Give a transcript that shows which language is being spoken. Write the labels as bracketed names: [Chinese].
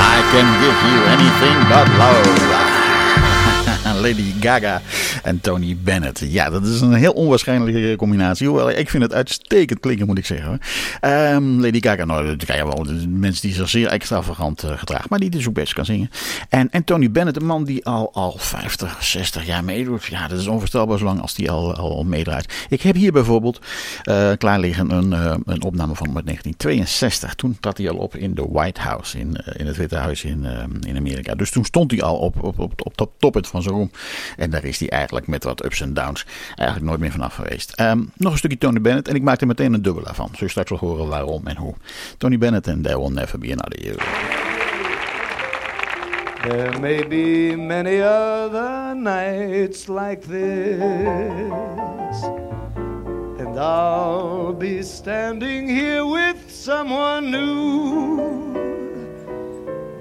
[English] can give you anything but love. [Dutch] Lady Gaga en Tony Bennett. Ja, dat is een heel onwaarschijnlijke combinatie. Hoewel, ik vind het uitstekend klinken, moet ik zeggen. Lady Gaga, nou, dat krijg je wel. Mensen die zich zeer extravagant gedragen, maar die dus ook best kan zingen. En Tony Bennett, een man die al 50, 60 jaar meedoet. Ja, dat is onvoorstelbaar zolang als die al meedraait. Ik heb hier bijvoorbeeld klaar liggen een opname van 1962. Toen trad hij al op in de White House, in het Witte Huis in Amerika. Dus toen stond hij al op dat toppunt van zo'n. En daar is hij eigenlijk met wat ups en downs eigenlijk nooit meer vanaf geweest. Nog een stukje Tony Bennett en ik maak er meteen een dubbele van. Zul je straks wel horen waarom en hoe. Tony Bennett en There Will Never Be Another You. [English] There may be many other nights like this. And I'll be standing here with someone new.